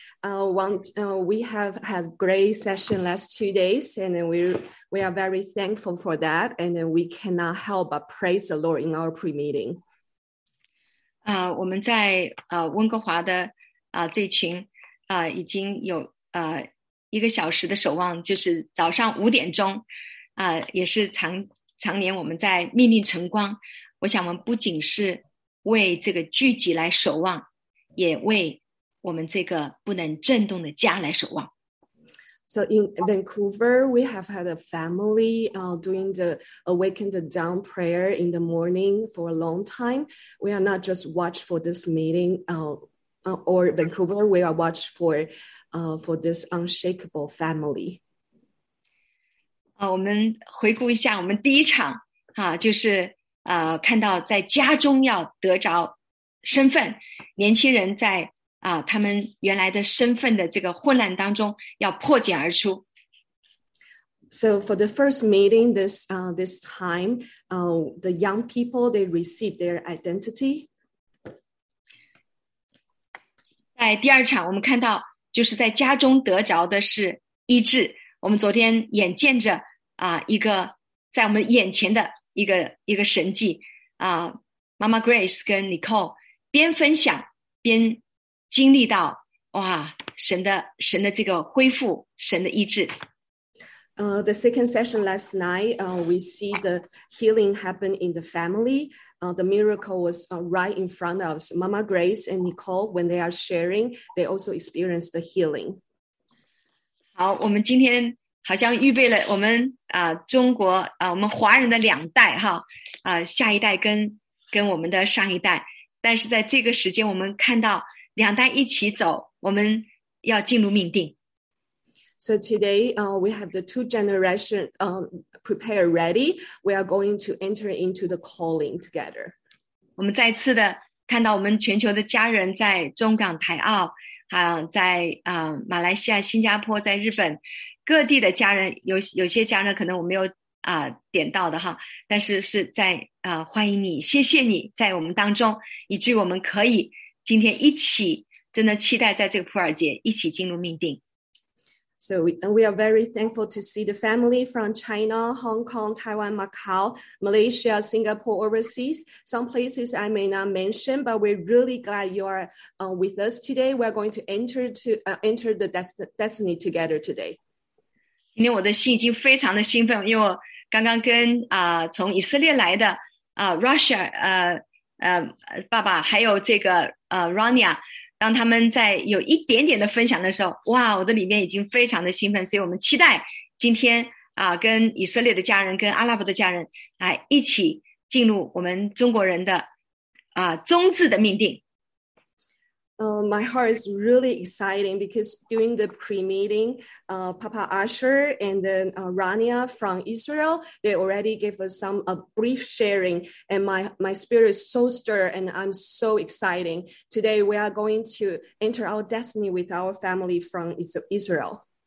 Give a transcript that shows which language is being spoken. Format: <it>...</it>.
<en>We have had great session last 2 days, and we are very thankful for that. And we cannot help but praise the Lord in our pre-meeting.</en> <zh>我们在温哥华的这群已经有一个小时的守望，就是早上5点钟，也是常年我们在命令晨光。我想我们不仅是为这个聚集来守望，也为我们这个不能震动的家来守望。</zh> <en>So in Vancouver, we have had a family doing the awaken the dawn prayer in the morning for a long time. We are not just watch for this meeting or Vancouver, we are watch for this unshakable family.</en> <zh>我们回顾一下我们第一场，就是看到在家中要得着身份，年轻人在他们原来的身份的这个混乱当中要破茧而出。</zh> <en>So for the first meeting this time, the young people, they receive their identity.</en> <zh>在第二场我们看到就是在家中得着的是医治。我们昨天眼见着一个在我们眼前的一个神迹，妈妈 Grace 跟 Nicole 边分享边经历到，哇，神的这个恢复，神的医治。</zh> <en>The second session last night, we see the healing happen in the family. The miracle was right in front of us. Mama Grace and Nicole, when they are sharing, they also experienced the healing.</en> <zh>好，我们今天好像预备了我们中国我们华人的两代哈，下一代跟我们的上一代，但是在这个时间我们看到两代一起走，我们要进入命定。</zh> <en>So today, we have the two generation prepared ready. We are going to enter into the calling together.</en> <zh>我们再次的看到我们全球的家人在中港台澳，在马来西亚、新加坡、在日本。各地的家人，有些家人可能我没有点到的哈，但是是在欢迎你，谢谢你在我们当中，以至于我们可以今天一起，真的期待在这个普尔节一起进入命定。</zh> <en>So we are very thankful to see the family from China, Hong Kong, Taiwan, Macau, Malaysia, Singapore, overseas. Some places I may not mention, but we're really glad you are with us today. We are going to enter the destiny together today.</en> <zh>今天我的心已经非常的兴奋，因为我刚刚跟从以色列来的Russia 爸爸还有这个Rania， 当他们在有一点点的分享的时候，哇，我的里面已经非常的兴奋，所以我们期待今天跟以色列的家人跟阿拉伯的家人来一起进入我们中国人的宗字的命定。</zh> <en>My heart is really exciting because during the pre-meeting, Papa Asher and then Rania from Israel, they already gave us a brief sharing, and my spirit is so stirred, and I'm so exciting. Today, we are going to enter our destiny with our family from Israel.</en>